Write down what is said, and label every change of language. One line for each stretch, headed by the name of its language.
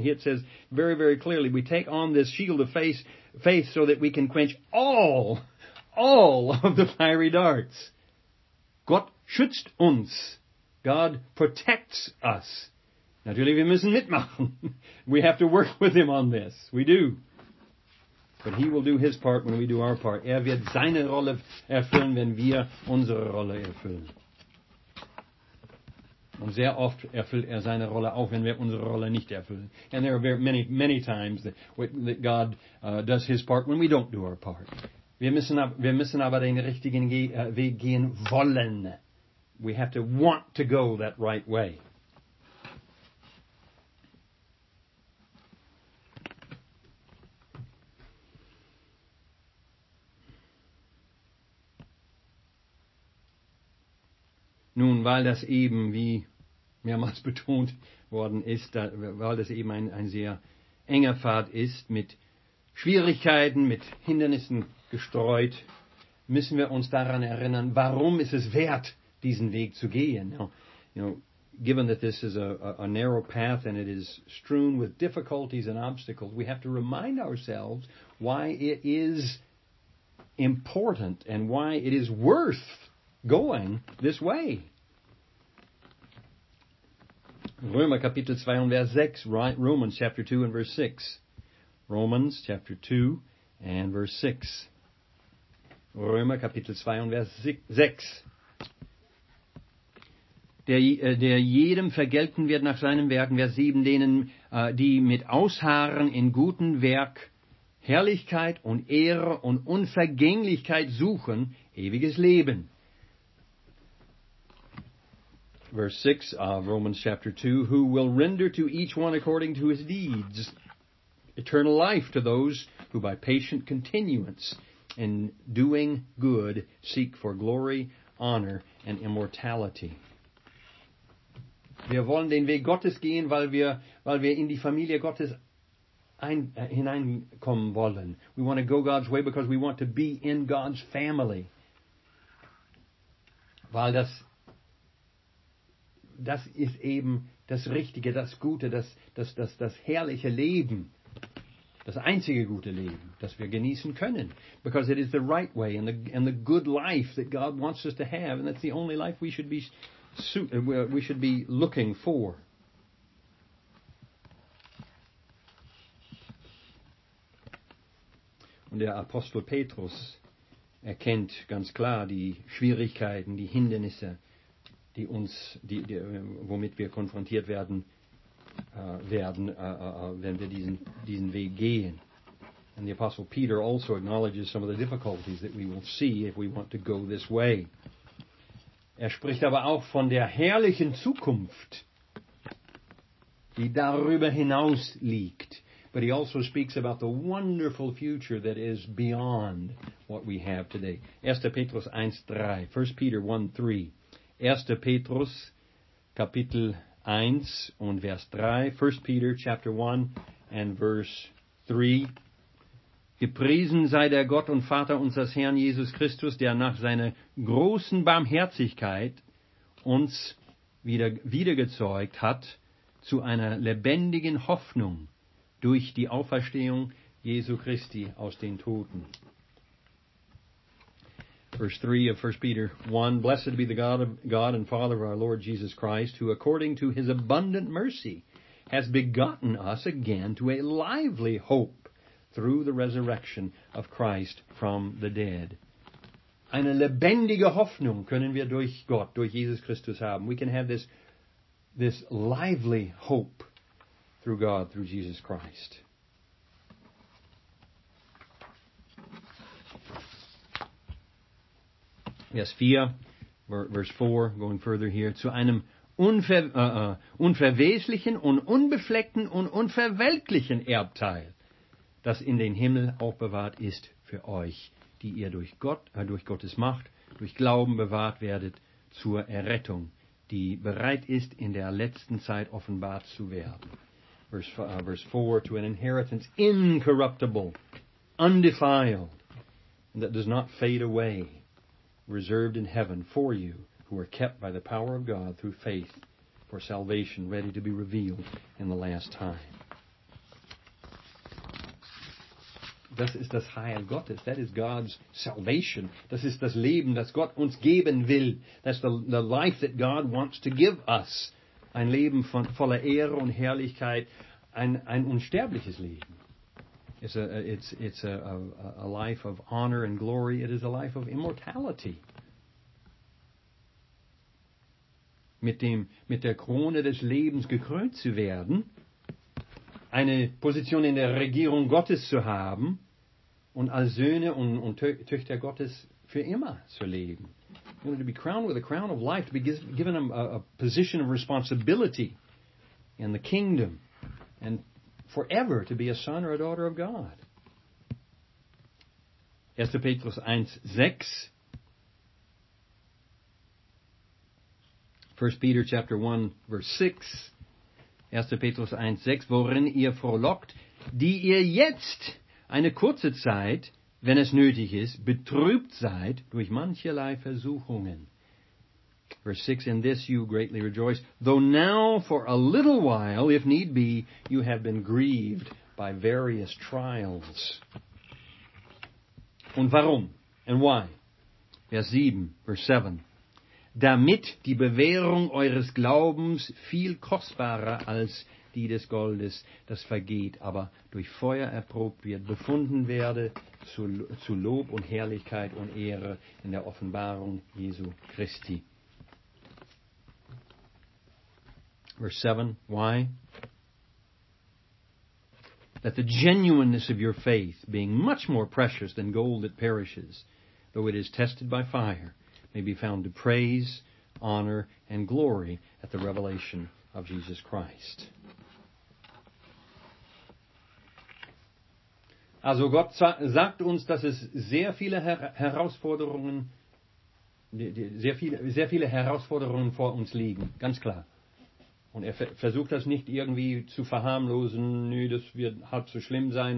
English: Here it says very, very clearly, we take on this shield of faith so that we can quench all of the fiery darts.
German: Gott schützt uns.
English: God protects us.
German: Natürlich, wir müssen mitmachen.
English: We have to work with him on this. We do. But he will do his part when we do our part.
German: Er wird seine Rolle erfüllen, wenn wir unsere Rolle erfüllen. Und sehr oft erfüllt er seine Rolle auch, wenn wir unsere Rolle nicht erfüllen.
English: And there are very many, many times that God does his part when we don't do our part.
German: Wir müssen aber den richtigen Weg gehen wollen.
English: We have to want to go that right way.
German: Nun, weil das eben, wie mehrmals betont worden ist, weil das eben ein sehr enger Pfad ist, mit Schwierigkeiten, mit Hindernissen gestreut, müssen wir uns daran erinnern, warum ist es wert, diesen Weg zu gehen.
English: Given that this is a narrow path and it is strewn with difficulties and obstacles, we have to remind ourselves why it is important and why it is worth going this way.
German: Römer Kapitel 2 und Vers 6,
English: Romans chapter 2 and verse 6. Romans chapter 2 and verse 6.
German: Römer Kapitel 2 und Vers 6. Der jedem vergelten wird nach seinen Werken. Vers 7, denen, die mit Ausharren in guten Werk Herrlichkeit und Ehre und Unvergänglichkeit suchen, ewiges Leben.
English: Verse 6 of Romans chapter 2, who will render to each one according to his deeds eternal life to those who by patient continuance in doing good seek for glory, honor and immortality.
German: Wir wollen den Weg Gottes gehen, weil wir in die Familie Gottes hineinkommen wollen.
English: We want to go God's way because we want to be in God's family.
German: Weil das ist eben das Richtige, das Gute, das herrliche Leben. Das einzige gute Leben, das wir genießen können.
English: Because it is the right way and the good life that God wants us to have. And that's the only life we should be looking for.
German: Und der Apostel Petrus erkennt ganz klar die Schwierigkeiten, die Hindernisse, womit wir konfrontiert werden, wenn wir diesen Weg gehen.
English: And the Apostle Peter also acknowledges some of the difficulties that we will see if we want to go this way.
German: Er spricht aber auch von der herrlichen Zukunft, die darüber hinaus liegt.
English: But he also speaks about the wonderful future that is beyond what we have today.
German: 1. Petrus 1:3. 1. Peter 1:3. 1. Petrus Kapitel 1 und Vers 3. 1.
English: Peter chapter 1 and verse 3.
German: Gepriesen sei der Gott und Vater unseres Herrn Jesus Christus, der nach seiner großen Barmherzigkeit uns wiedergezeugt hat zu einer lebendigen Hoffnung durch die Auferstehung Jesu Christi aus den Toten.
English: Verse 3 of 1 Peter 1. Blessed be the God and Father of our Lord Jesus Christ, who according to his abundant mercy has begotten us again to a lively hope through the resurrection of Christ from the dead.
German: Eine lebendige Hoffnung können wir durch Gott, durch Jesus Christus haben.
English: We can have this lively hope through God, through Jesus Christ.
German: Vers 4,
English: verse 4, going further here.
German: Zu einem unverweslichen und unbefleckten und unverwelklichen Erbteil, das in den Himmel aufbewahrt ist für euch, die ihr durch Gottes Macht, durch Glauben bewahrt werdet zur Errettung, die bereit ist, in der letzten Zeit offenbart zu werden.
English: Verse 4, to an inheritance incorruptible, undefiled, and that does not fade away, reserved in heaven for you, who are kept by the power of God through faith for salvation, ready to be revealed in the last time.
German: Das ist das Heil Gottes.
English: That is God's salvation.
German: Das ist das Leben, das Gott uns geben will.
English: That's the life that God wants to give us.
German: Ein Leben von voller Ehre und Herrlichkeit. Ein unsterbliches Leben.
English: It's a life of honor and glory. It is a life of immortality.
German: Mit der Krone des Lebens gekrönt zu werden, eine Position in der Regierung Gottes zu haben, und als Söhne und Töchter Gottes für immer zu leben.
English: You know, to be crowned with a crown of life, to be given a position of responsibility in the kingdom, and forever to be a son or a daughter of God.
German: 1. Petrus 1:6.
English: 1 Peter chapter 1, verse 6.
German: 1. Petrus 1, 6. Worin ihr frohlockt, die ihr jetzt eine kurze Zeit, wenn es nötig ist, betrübt seid durch mancherlei Versuchungen.
English: Verse 6, in this you greatly rejoice, though now for a little while, if need be, you have been grieved by various trials.
German: Und warum?
English: And why? Verse 7, verse 7.
German: Damit die Bewährung eures Glaubens viel kostbarer als die des Goldes, das vergeht, aber durch Feuer erprobt wird, befunden werde zu Lob und Herrlichkeit und Ehre in der Offenbarung Jesu Christi.
English: Verse 7, why? That the genuineness of your faith, being much more precious than gold that perishes, though it is tested by fire, may be found to praise, honor, and glory at the revelation of Jesus Christ.
German: Also Gott sagt uns, dass es sehr viele Herausforderungen, sehr viele Herausforderungen vor uns liegen, ganz klar. Und er versucht das nicht irgendwie zu verharmlosen, nö, das wird halb so schlimm sein.